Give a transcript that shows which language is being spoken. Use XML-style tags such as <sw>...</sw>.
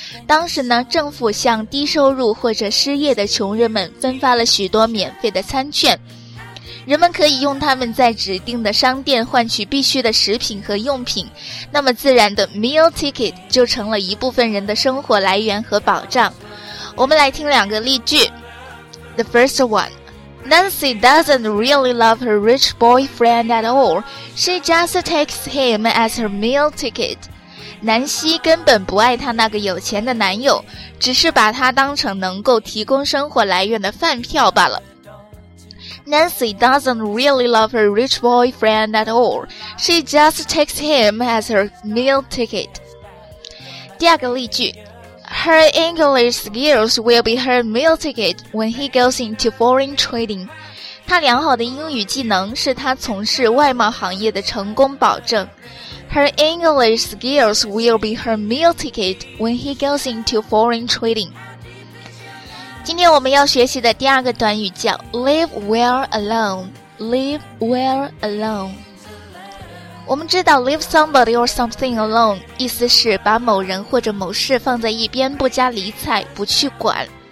<zh>当时呢，政府向低收入或者失业的穷人们分发了许多免费的餐券，人们可以用它们在指定的商店换取必需的食品和用品，那么自然的 meal ticket 就成了一部分人的生活来源和保障。我们来听两个例句。</zh> <en>The first one, Nancy doesn't really love her rich boyfriend at all. She just takes him as her meal ticket.</en> <zh>南希根本不爱她那个有钱的男友，只是把他当成能够提供生活来源的饭票罢了。</zh> <en>Nancy doesn't really love her rich boyfriend at all. She just takes him as her meal ticket.</en> <zh>第二个例句，</zh> <en>Her English skills will be her meal ticket when he goes into foreign trading.</en> <zh>她良好的英语技能是她从事外贸行业的成功保证。</zh> <en>Her English skills will be her meal ticket when he goes into foreign trading.</en> <zh>今天我们要学习的第二个短语叫</zh> <en>live well alone, live well alone。</en> <zh>我们知道</zh> <en>leave somebody or something alone</en> <zh>意思是把某人或者某事放在一边，不加理睬，不去管。</zh>